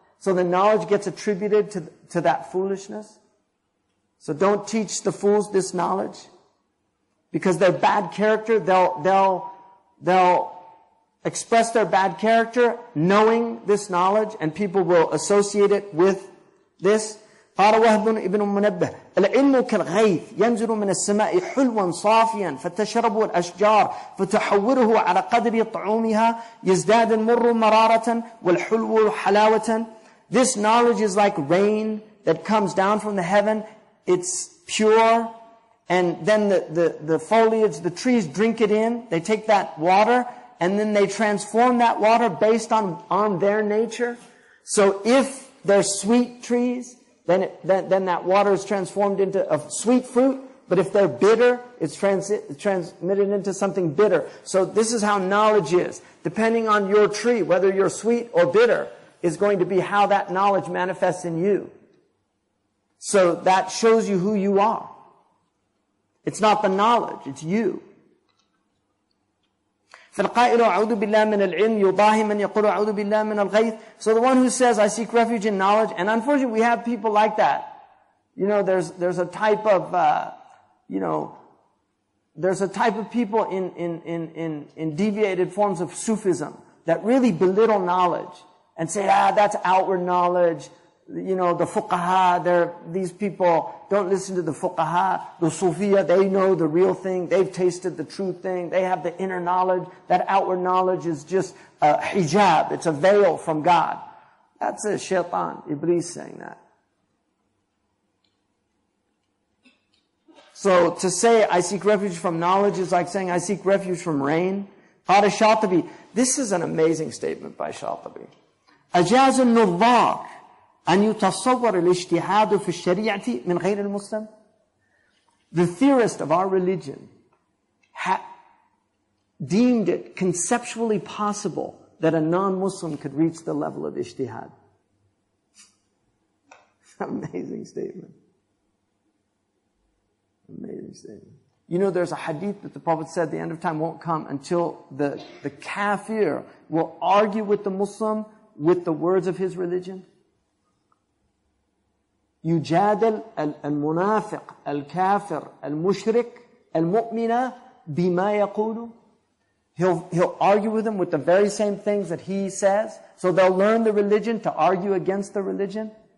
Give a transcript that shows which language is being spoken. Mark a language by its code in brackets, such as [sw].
[en] So the knowledge gets attributed to that foolishness. So don't teach the fools this knowledge. Because their bad character, they'll express their bad character knowing this knowledge, and people will associate it with this. [ar] قال وهب ابن منبه العلم كالغيث ينزل من السماء حلوا صافيا فتشربه الأشجار فتحوره على قدر طعومها يزداد المر مرارة والحلو حلاوة. [en] This knowledge is like rain that comes down from the heaven. It's pure, and then the foliage, the trees drink it in. They take that water, and then they transform that water based on their nature. So if they're sweet trees, then that water is transformed into a sweet fruit. But if they're bitter, it's transmitted into something bitter. So this is how knowledge is. Depending on your tree, whether you're sweet or bitter, is going to be how that knowledge manifests in you. So that shows you who you are. It's not the knowledge, it's you. [ar] فالقائل أعوذ بالله من العلم يضاهي من يقول أعوذ بالله من الغيث. [en] So the one who says I seek refuge in knowledge, and unfortunately we have people like that. You know, there's a type of people in deviated forms of Sufism that really belittle knowledge and say that's outward knowledge. You know, the fuqaha, these people don't listen to the fuqaha. The sufiya, they know the real thing. They've tasted the true thing. They have the inner knowledge. That outward knowledge is just a hijab. It's a veil from God. That's a shaitan, Iblis saying that. So to say I seek refuge from knowledge is like saying I seek refuge from rain. [ar] Qala Shatibi. [en] This is an amazing statement by Shatibi. Ajaz al-Nuvar. [ar] أن يتصور الاجتهاد في الشريعة من غير المسلم. [en] The theorist of our religion deemed it conceptually possible that a non-Muslim could reach the level of ijtihad. Amazing statement. Amazing statement. You know, there's a hadith that the Prophet said the end of time won't come until the kafir will argue with the Muslim with the words of his religion. [ar] يجادل المنافق الكافر المشرك المؤمن بما يقول. [en] He'll argue with them with the very same things that he says. So they'll learn the religion to argue against the religion.